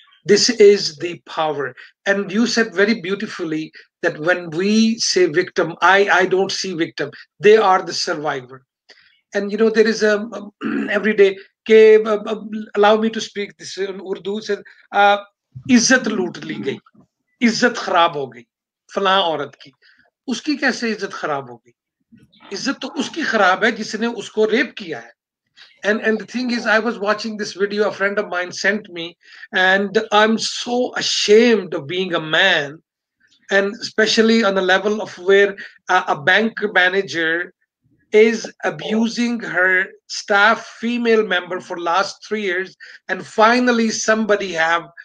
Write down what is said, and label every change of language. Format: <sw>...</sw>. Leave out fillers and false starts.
<en>This is the power. And you said very beautifully that when we say victim, I don't see victim. They are the survivor. And you know, there is every day, allow me to speak this in Urdu, said,</en> <hi>इज्जत लूट ली गई, इज्जत खराब हो गई फलां औरत की, उसकी कैसे इज्जत खराब हो गई? इज्जत तो उसकी खराब है जिसने उसको रेप किया है.</hi> <en>And the thing is, I was watching this video, a friend of mine sent me, and I'm so ashamed of being a man, and especially on the level of where a bank manager is abusing her staff female member for last 3 years, and finally somebody have</en>